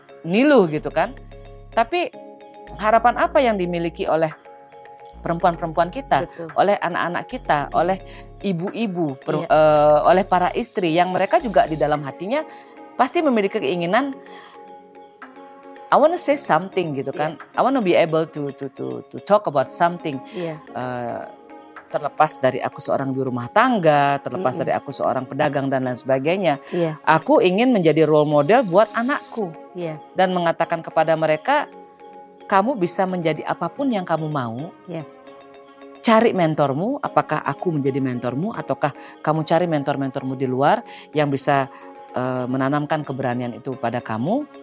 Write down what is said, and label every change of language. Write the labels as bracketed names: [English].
[Indonesian] NILUH gitu kan. Tapi harapan apa yang dimiliki oleh perempuan-perempuan kita, betul. Oleh anak-anak kita, oleh ibu-ibu, iya. Oleh para istri yang mereka juga di dalam hatinya pasti memiliki keinginan [English] I want to say something [Indonesian] gitu kan. Iya. [English] I want to be able to talk about something. [Indonesian] Iya. Terlepas dari aku seorang ibu rumah tangga, terlepas mm-hmm. dari aku seorang pedagang dan lain sebagainya, yeah. aku ingin menjadi role model buat anakku, yeah. dan mengatakan kepada mereka, kamu bisa menjadi apapun yang kamu mau, yeah. cari mentormu, apakah aku menjadi mentormu, ataukah kamu cari mentor-mentormu di luar yang bisa menanamkan keberanian itu pada kamu.